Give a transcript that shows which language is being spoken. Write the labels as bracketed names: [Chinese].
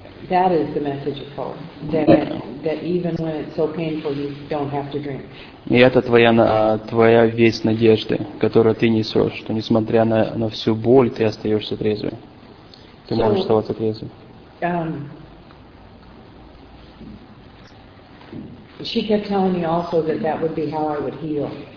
[English] That is the message of hope. That, that even when it's so painful, you don't have to drink. [Russian] И это твоя, твоя весть надежды, которую ты несешь, что несмотря на всю боль, ты остаешься трезвой. Ты можешь оставаться трезвой. [English] She kept telling me also that that would be how I would heal.